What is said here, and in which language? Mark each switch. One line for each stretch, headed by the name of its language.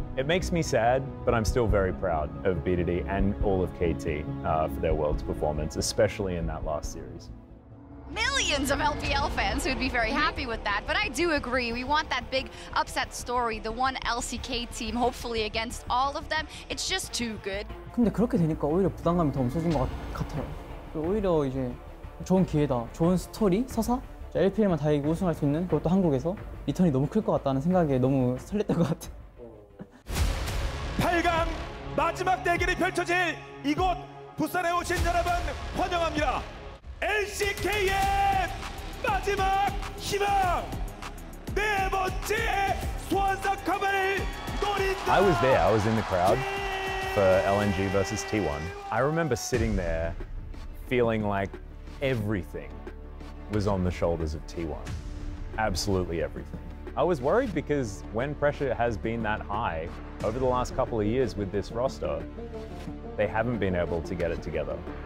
English: It makes me sad, but I'm still very proud of BDD and all of KT for their Worlds performance, especially in that last series. Millions of LPL fans would be very happy with that, but I do agree. We want that big upset story, the one LCK team, hopefully against all of them. It's just too good.
Korean: 근데 그렇게 되니까 오히려 부담감이 더 없어진 것 같아요. 오히려 이제 좋은 기회다, 좋은 스토리, 서사. LPL만 다 이기고 우승할 수 있는 그것도 한국에서 리턴이 너무 클 것 같다는 생각에 너무 설렜던 것 같아. 8강 마지막 대결이 펼쳐질 이곳 부산에 오신 여러분 환영합니다. LCK의 마지막 희망, 네 번째 소환사 카바를 노린다.
English: I was there. I was in the crowd for LNG versus T1. I remember sitting there feeling like everything was on the shoulders of T1. Absolutely everything. I was worried because when pressure has been that high over the last couple of years with this roster, they haven't been able to get it together.